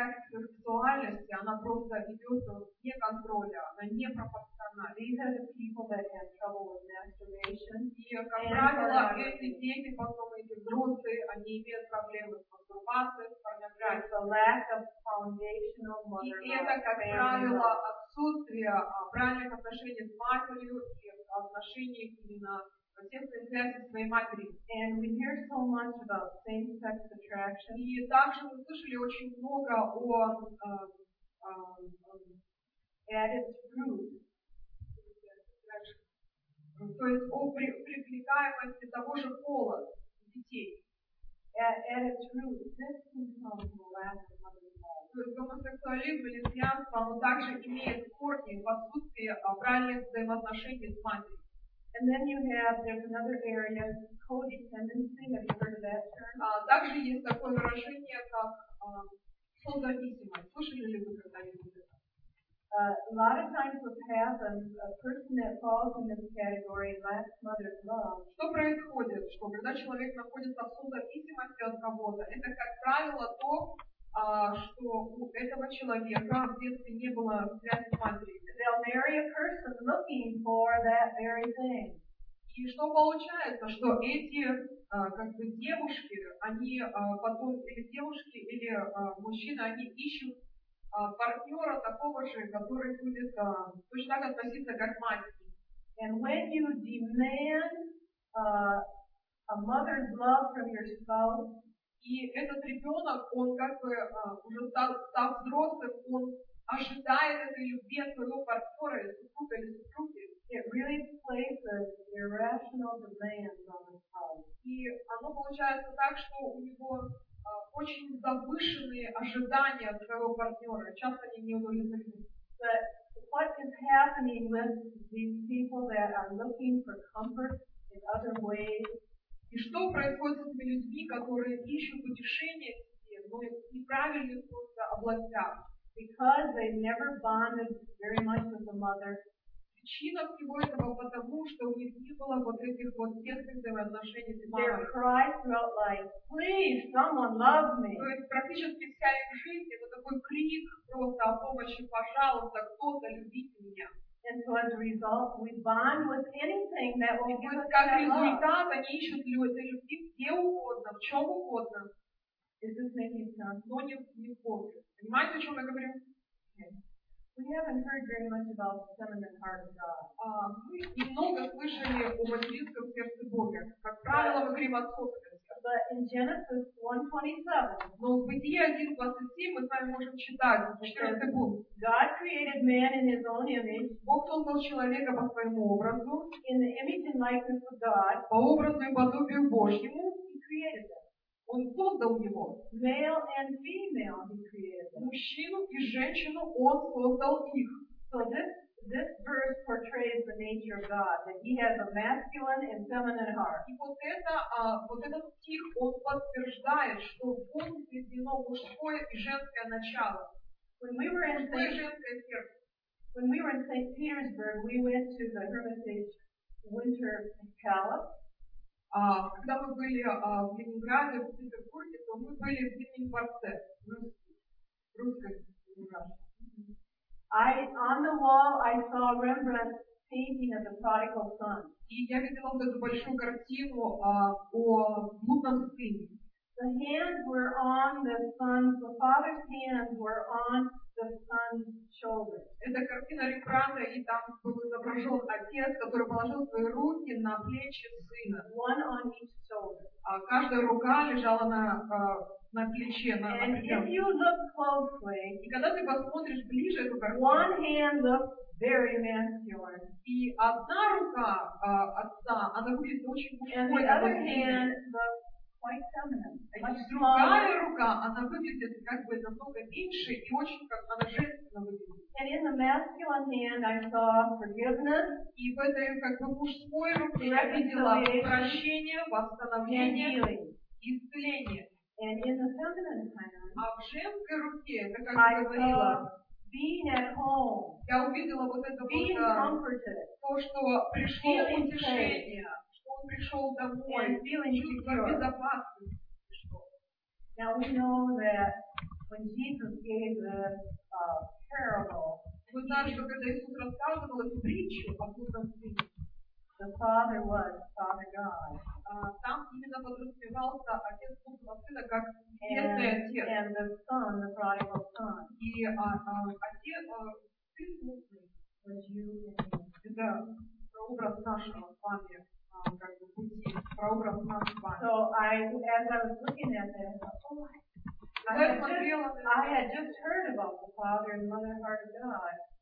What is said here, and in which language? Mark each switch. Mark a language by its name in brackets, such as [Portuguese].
[Russian] Сексуальность, она просто ведется вне контроля, она не пропорциональна. [English] These are the people that have trouble with masturbation. [Russian] И, как правило, эти дети, потом эти взрослые, они имеют проблемы с мастурбацией, с порнографией. [English] The lack of foundational mother. [Russian] И это, как правило, отсутствие правильных отношений с матерью и отношений именно [English] And we hear so much about same-sex attraction. [Russian] И также мы слышали очень много о [English] added fruit. [Russian] То есть о привлекаемости того же пола детей. [English] Added fruit. This comes from the lack of mother's love. [Russian] То есть гомосексуализм и лесбиянство, оно также имеет корни в отсутствии правильных взаимоотношений с матерью. [English] And then you have, there's another area, codependency, have you heard of that term? [Russian] Также есть такое выражение, как созависимость. Слышали ли вы когда-нибудь это? [English] A lot of times what happens, a person that falls in this category lacks mother's love. [Russian] Что происходит, что когда человек находится в созависимости от кого-то, это, как правило, то, что у этого человека в детстве не было связи с матерью. [English] They'll marry a person looking for that very thing. [Russian] И что получается, что эти как бы девушки, они потом или девушки или мужчины, они ищут партнера такого же, который будет точно так относиться как мать. [English] And when you demand a mother's love from your spouse. [Russian] И этот ребенок, он как бы уже стал взрослым, он ожидает этой любви от своего партнера, или супруга, или супруги. [English] It really places irrational demands on the child. [Russian] И оно получается так, что у него очень завышенные ожидания от своего партнера, часто они не удовлетворены. [English] But what is happening with these people that are looking for comfort in other ways? [Russian] И что происходит с этими людьми, которые ищут утешение в себе, но неправильно просто областях? [English] Because they never bonded very much with the mother. [Russian] Причина всего этого потому, что у них не было вот этих вот тесных взаимоотношений с мамой. [English] They cry throughout life, please, someone love me. [Russian] То есть практически вся их жизнь это такой крик просто о помощи, пожалуйста, кто-то любите меня. [English] And so as a result, we bond with anything that will give us love. [Russian] Как результат, они ищут этой любви где угодно, в чем угодно. [English] Is this making sense? [Russian] Но не в Боге. Понимаете, о чем я говорю? [English] We haven't heard very much about the feminine heart of God. [Russian] Мы немного слышали о материнском сердце Бога. Как правило, мы говорим о отцовском. [English] But in Genesis 1:27. [Russian] Но в Бытие 1:27 мы с вами можем читать. 14 секунд. [English] God created man in his own image. [Russian] Бог создал человека по своему образу. [English] In the image and likeness of God. [Russian] По образу и подобию Божьему. [English] He created them. [Russian] Он создал его. [English] Male and female he created them. [Russian] Мужчину и женщину он создал их. [English] So this verse portrays the nature of God, that he has a masculine and feminine heart. [Russian] И вот это, вот этот стих, он подтверждает, что в Боге соединено мужское и женское начало. [English] When we were in St. Petersburg, we went to the Hermitage Winter Palace. [Russian] Когда мы были в Ленинграде, в Петербурге, то мы были в Зимнем дворце, русской Ленинграде. [English] On the wall I saw Rembrandt's painting of the prodigal son. [Russian] И я видела вот эту большую картину о блудном сыне. [English] The hands were on the son's, the father's hands were on the son's shoulders. [Russian] Это картина Рембрандта, и там был изображен отец, который положил свои руки на плечи сына. [English] One on each shoulder. [Russian] Каждая рука лежала на плече, на [English] And [Russian] плечах. [English] If you look closely, [Russian] и когда ты посмотришь ближе эту картину, [English] one hand looks very masculine. [Russian] И одна рука отца, она выглядит очень мужской. [English] And the other hand looks [Russian] Другая рука, она выглядит как бы намного меньше и очень как она женственно выглядит. [English] And in the masculine hand I saw forgiveness. [Russian] И в этой как бы мужской руке я видела прощение, восстановление и исцеление. [English] And in the feminine hand, [Russian] а в женской руке, это как я говорила, [English] being at home, [Russian] я увидела вот это [English] being [Russian] вот [English] comforted, [Russian] то, что пришло утешение, что он пришел. пришел домой, [English] and feeling [Russian] чувство [English] secure. [Russian] Безопасности пришел. [English] Now we know that when Jesus gave the parable, [Russian] мы знаем, что когда Иисус рассказывал эту притчу о Путном Сыне, [English] the Father was Father God. [Russian] Там именно подразумевался Отец Путного Сына как Небесный Отец. [English] And the Son, the prodigal Son. [Russian] И Отец Сын Путный. [English] Was you and me. [Russian] Это образ нашего с вами, как бы пути, прообраз нас с вами. [English] So as I was looking at that, I thought, oh my. I had just heard about the Father and Mother Heart of God.